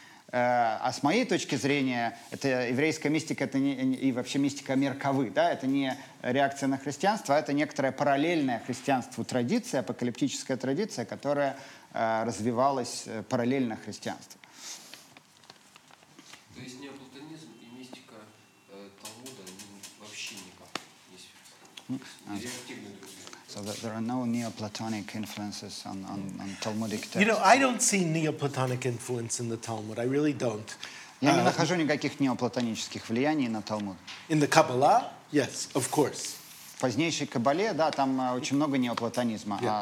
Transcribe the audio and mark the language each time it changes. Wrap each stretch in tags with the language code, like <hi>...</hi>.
<ru>А с моей точки зрения, это еврейская мистика, это не, и вообще мистика Меркавы, да, это не реакция на христианство, а это некоторая параллельная христианству традиция, апокалиптическая традиция, которая развивалась параллельно христианству. То есть неоплатонизм и мистика Талмуда вообще никак не реактивны друг друга.</ru> <en>So that there are no Neoplatonic influences on Talmudic texts. You know, I don't see Neoplatonic influence in the Talmud. I really don't.</en> <ru>Я не нахожу никаких неоплатонических влияний на Талмуд.</ru> <en>In the Kabbalah? Yes, of course.</en> <ru>В позднейшей Каббале, да, там очень много неоплатонизма, yeah.</ru>